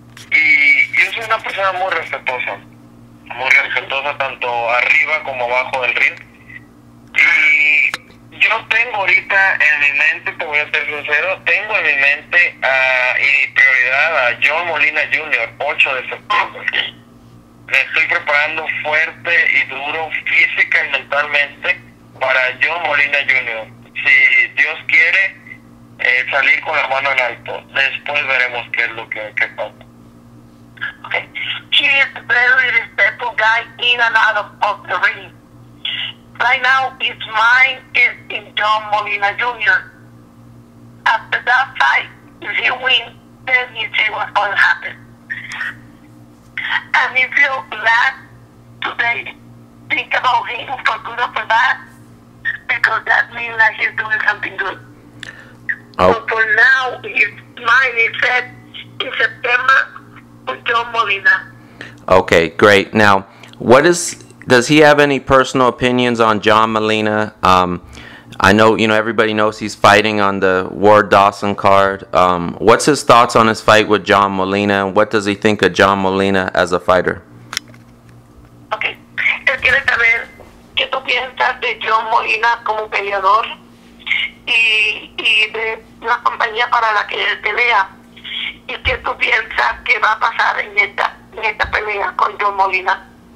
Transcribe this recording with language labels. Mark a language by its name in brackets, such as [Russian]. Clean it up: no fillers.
[Spanish] Y yo soy una persona muy respetuosa tanto arriba como abajo del ring, y yo tengo ahorita en mi mente, te voy a ser sincero, tengo en mi mente y prioridad a John Molina Jr. 8 de septiembre. Me estoy preparando fuerte y duro física y mentalmente para John Molina Jr. Si Dios quiere salir con la mano en alto. Después veremos qué es lo que pasa. [English] Okay. He is a very respectful guy in and out of the ring. Right now, his mind is in John Molina Jr. After that fight, if he wins, then you see what's going to happen. And if you glad today, think about him for good or for bad, because that means that he's doing something good. Oh. But for now, he said, in September, with John Molina. Okay, great. Now, does he have any personal opinions on John Molina? I know, everybody knows he's fighting on the Ward-Dawson card. What's his thoughts on his fight with John Molina, and what does he think of John Molina as a fighter? Okay. [Spanish] Él quiere saber qué tú piensas de John Molina como peleador y de la compañía para la que él pelea, y qué tú piensas que va a pasar en esta pelea con John Molina.